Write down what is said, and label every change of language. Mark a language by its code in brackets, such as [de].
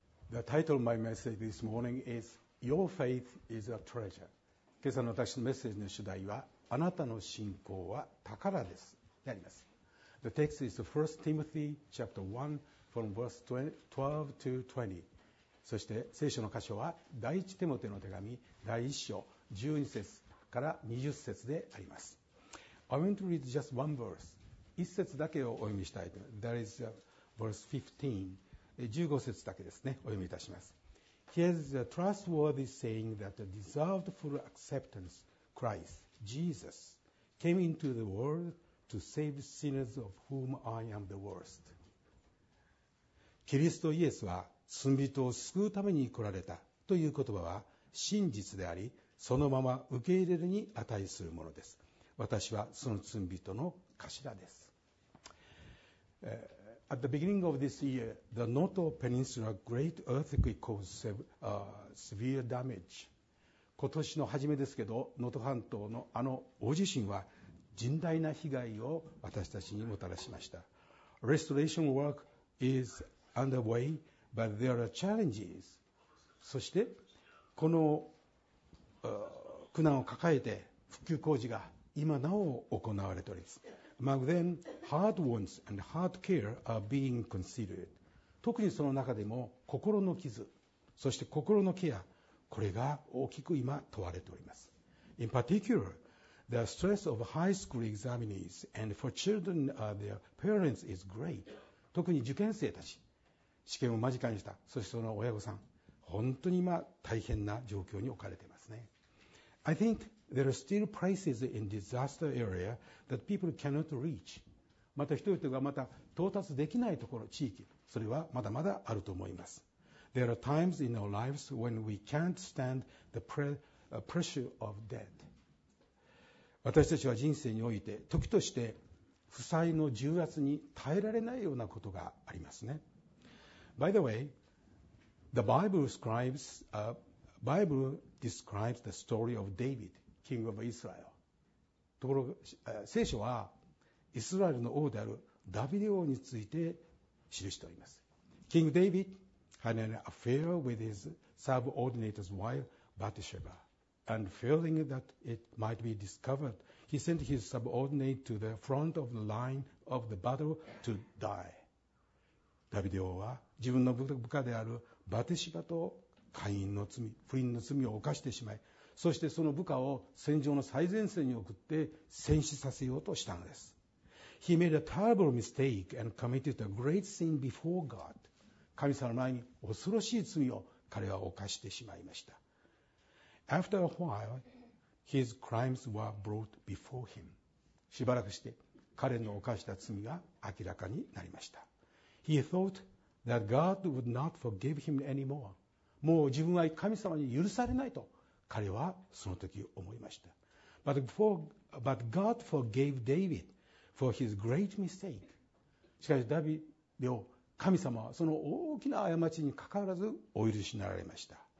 [en] The title of my message this morning is Your Faith is a Treasure. [ja] 今朝の私のメッセージの主題はあなたの信仰は宝ですであります。 [en] The text is 1 Timothy chapter 1 from verse 12 to 20。 [ja] そして聖書の箇所は第一テモテの手紙第1章12節から20節であります。 [en] I want to read just one verse. [ja] 一節だけをお読みしたいと。 [en] That is verse 15. [ja] 15節だけですね、お読みいたします。 [en] Here is a trustworthy saying that deserved full acceptance. Christ, Jesus, came into the world to save sinners of whom I am the worst. [ja] キリストイエスは罪人を救うために来られたという言葉は真実であり、そのまま受け入れるに値するものです。私はその罪人の頭です。 [en] At the beginning of this year, the Noto Peninsula Great Earthquake caused severe damage. [ja] 今年の初めですけど、能登半島のあの大地震は甚大な被害を私たちにもたらしました。 [en] Restoration work is underway, but there are challenges. [ja] そしてこの苦難を抱えて復旧工事が今なお行われております。 [en] But then, heart wounds and heart care are being considered. [ja] 特にその中でも心の傷、そして心のケア、これが大きく今問われております。 [en] In particular, the stress of high school examinees and for children their parents is great. [ja] 特に受験生たち、試験を間近にした、そしてその親御さん、本当に今大変な状況に置かれていますね。 [en] I think there are still places in disaster area that people cannot reach. [ja] また人々がまた到達できないところ、地域、それはまだまだあると思います。 [en] There are times in our lives when we can't stand the pressure of death. [ja] 私たちは人生において、時として負債の重圧に耐えられないようなことがありますね。 [en] By the way, the Bible describes Bible describes the story of David, king of Israel. [ja] ところが、聖書はイスラエルの王であるダビデ王について記しております。 [en] King David had an affair with his subordinate's wife, Bathsheba, and fearing that it might be discovered, he sent his subordinate to the front of the line of the battle to die. [ja] ダビデ王は自分の部下であるバテシバと会員の罪、不倫の罪を犯してしまい、そしてその部下を戦場の最前線に送って戦死させようとしたのです。 [en] He made a terrible mistake and committed a great sin before God. [ja] 神様の前に恐ろしい罪を彼は犯してしまいました。 [en] After a while, his crimes were brought before him. [ja] しばらくして彼の犯した罪が明らかになりました。 [en] He thought that God would not forgive him anymore. [ja] もう自分は神様に許されないと彼はその時思いました。 [en] But God forgave David for his great mistake. [ja] しかしダビデを神様はその大きな過ちにかかわらずお許しになられました。